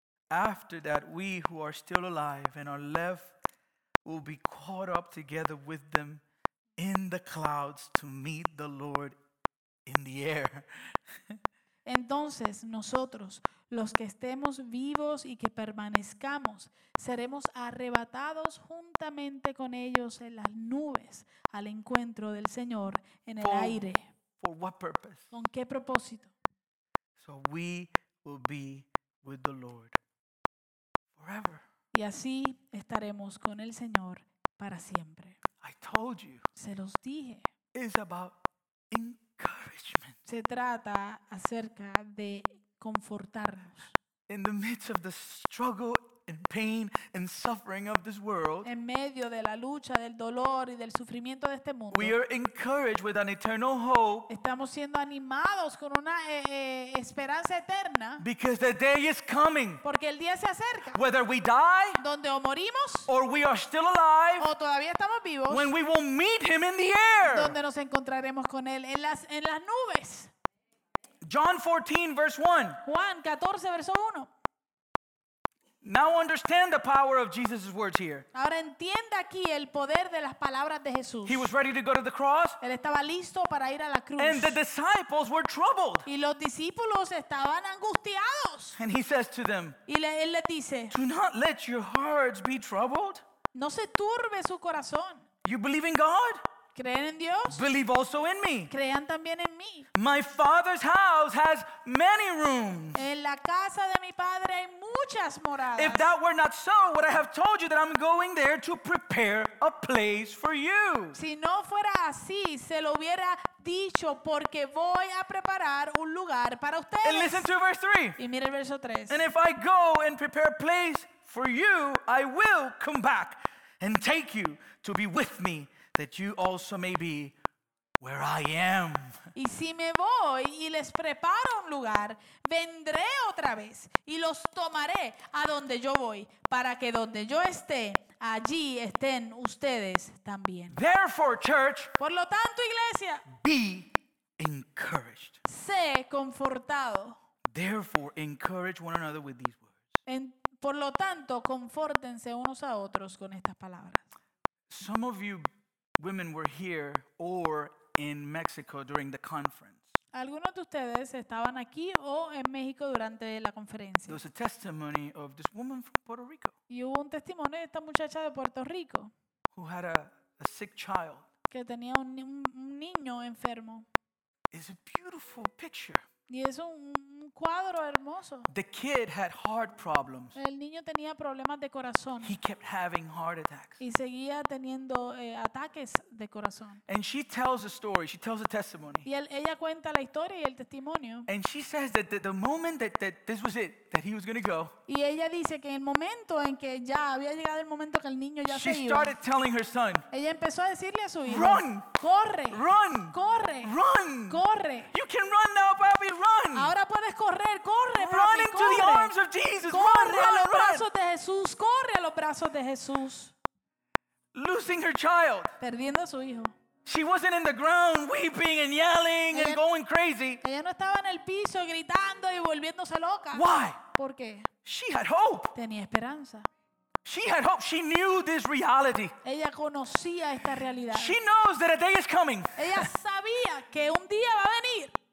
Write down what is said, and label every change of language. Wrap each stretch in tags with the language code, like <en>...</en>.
<en>After that, we who are still alive and are left will be caught up together with them in the clouds to meet the Lord in the air.</en> <es>Entonces, nosotros, los que estemos vivos y que permanezcamos, seremos arrebatados juntamente con ellos en las nubes al encuentro del Señor en el aire.</es> <en>For what purpose?</en> <es>¿Con qué propósito?</es> <en>So we will be with the Lord forever.</en> <es>Y así estaremos con el Señor para siempre.</es> <en>I told you.</en> <es>Se los dije.</es> <en>It's about encouragement.</en> <es>Se trata acerca de confortarnos.</es> <en>In the midst of the struggle and pain and suffering of this world.</en> <es>En medio de la lucha, del dolor y del sufrimiento de este mundo.</es> <en>We are encouraged with an eternal hope.</en> <es>Estamos siendo animados con una esperanza eterna.</es> <en>Because the day is coming.</en> <es>Porque el día se acerca.</es> <en>Whether we die.</en> <es>Donde o morimos.</es> <en>Or we are still alive.</en> <es>O todavía estamos vivos.</es> <en>When we will meet him in the air.</en> <es>Donde nos encontraremos con él en las nubes.</es> <en>John 14 verse 1.</en> <es>Juan 14 verso 1.</es> <en>Now understand the power of Jesus' words here.</en> <es>Ahora entienda aquí el poder de las palabras de Jesús.</es> <en>He was ready to go to the cross.</en> <es>Él estaba listo para ir a la cruz.</es> <en>And the disciples were troubled.</en> <es>Y los discípulos estaban angustiados.</es> <en>And he says to them,</en> <es>y él les dice,</es> <en>do not let your hearts be troubled.</en> <es>No se turbe su corazón.</es> <en>You believe in God?</en> <es>¿Creen en Dios?</es> <en>Believe also in me.</en> <es>Crean también en mí.</es> <en>My father's house has many rooms.</en> <es>En la casa de mi padre hay muchas moradas.</es> <en>If that were not so, would I have told you that I'm going there to prepare a place for you?</en> <es>Si no fuera así, se lo hubiera dicho porque voy a preparar un lugar para ustedes.</es> <en>And listen to verse 3.</en> <es>Y mire el verso 3.</es> <en>And if I go and prepare a place for you, I will come back and take you to be with me. That you also may be where I am.</en> <es>Y si me voy y les preparo un lugar, vendré otra vez y los tomaré a donde yo voy, para que donde yo esté, allí estén ustedes también.</es> <en>Therefore, church,</en> <es>por lo tanto, iglesia,</es> <en>be encouraged.</en> <es>Sé confortado.</es> <en>Therefore, encourage one another with these words.</en> <es>Por lo tanto, confórtense unos a otros con estas palabras.</es> <en>Some of you women were here or in Mexico during the conference.</en> <es>Algunos de ustedes estaban aquí o en México durante la conferencia.</es> <en>There was a testimony of this woman from Puerto Rico.</en> <es>Y hubo un testimonio de esta muchacha de Puerto Rico.</es> <en>Who had a sick child.</en> <es>Que tenía un niño enfermo.</es> <en>It's a beautiful picture.</en> <es>Y es un cuadro hermoso.</es> <en>The kid had heart problems.</en> <es>El niño tenía problemas de corazón.</es> <en>He kept having heart attacks.</en> <es>Y seguía teniendo ataques de corazón.</es> <en>And she tells a story, she tells a testimony.</en> <es>Y ella cuenta la historia y el testimonio.</es> <en>And she says that the moment that this was it, that he was going to go.</en> <es>Y ella dice que en el momento en que ya había llegado el momento que el niño ya se iba.</es> <en>She started telling her son.</en> <es>Ella empezó a decirle a su hijo.</es> <en>Run!</en> <es>Corre.</es> <en>Run!</en> <es>Corre.</es> <en>Run!</en> <es>Corre.</es> <en>You can run now, baby, run.</en> <es>Ahora puedes correr, corre, papi,</es> <en>run into</en> <es>corre.</es> <en>The arms of Jesus.</en> <es>Corre</es> <en>run,</en> <es>a los</es> <en>run,</en> <es>brazos</es> <en>run.</en> <es>De Jesús, corre a los brazos de Jesús.</es> <en>Losing her child.</en> <es>Perdiendo a su hijo.</es> <en>She wasn't in the ground weeping and yelling and going crazy.</en> <es>Ella no estaba en el piso gritando y volviéndose loca.</es> <en>Why?</en> <es>¿Por qué?</es> <en>She had hope.</en> <es>Tenía esperanza.</es> <en>She had hope. She knew this reality.</en> <es>Ella conocía esta realidad.</es> <en>She knows that a day is coming.</en> <es>Ella sabía que un día va a venir.</es>